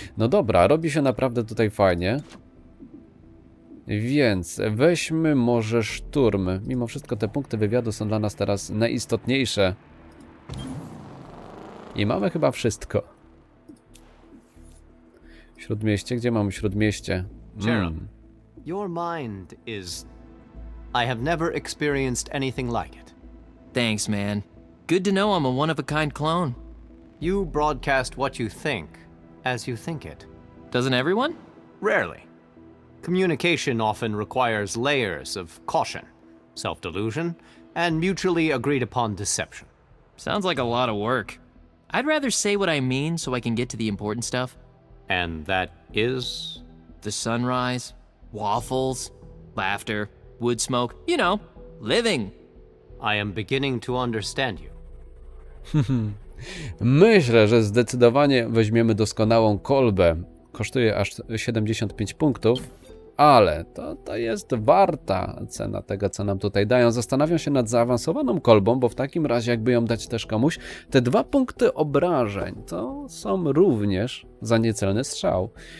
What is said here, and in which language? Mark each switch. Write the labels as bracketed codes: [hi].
[pl] No dobra, robi się naprawdę tutaj fajnie. Więc weźmy może szturm. Mimo wszystko te punkty wywiadu są dla nas teraz najistotniejsze. I mamy chyba wszystko. Śródmieście, gdzie mamy Śródmieście? [en] Your mind is... I have never experienced anything like it. Thanks, man. Good to know I'm a one-of-a-kind clone. You broadcast what you think, as you think it. Doesn't everyone? Rarely. Communication often requires layers of caution, self-delusion, and mutually agreed-upon deception. Sounds like a lot of work. I'd rather say what I mean so I can get to the important stuff. And that is? The sunrise, waffles, laughter, wood smoke, you know, living. I am beginning to understand you. [pl] Myślę, że zdecydowanie weźmiemy doskonałą kolbę. Kosztuje aż 75 punktów, ale to jest warta cena tego, co nam tutaj dają. Zastanawiam się nad zaawansowaną kolbą, bo w takim razie jakby ją dać też komuś, te 2 punkty obrażeń to są również za niecelny strzał.